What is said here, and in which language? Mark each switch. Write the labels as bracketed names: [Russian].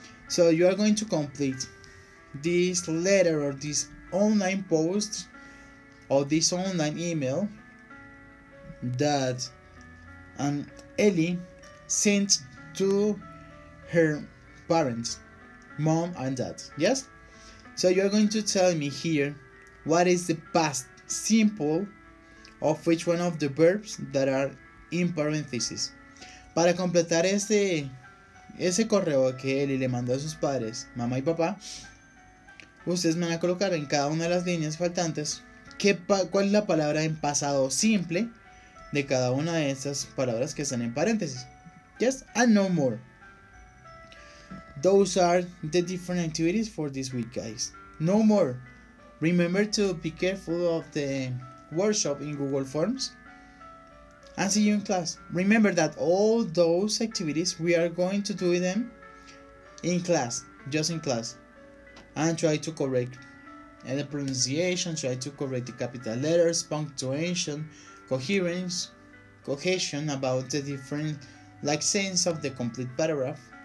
[English] So you are going to complete this letter or this online post or this online email that Ellie sent to her parents, mom and dad. Yes? So you are going to tell me here what is the past simple of which one of the verbs that are in parentheses. [Spanish] Para completar ese correo que Eli le mandó a sus padres, mamá y papá, ustedes me van a colocar en cada una de las líneas faltantes cuál es la palabra en pasado simple de cada una de esas palabras que están en paréntesis. [English] Yes, and no more. Those are the different activities for this week, guys. No more. Remember to be careful of the workshop in Google Forms and see you in class. Remember that all those activities, we are going to do them in class, just in class, and try to correct the pronunciation, try to correct the capital letters, punctuation, coherence, cohesion about the different like sense of the complete paragraph.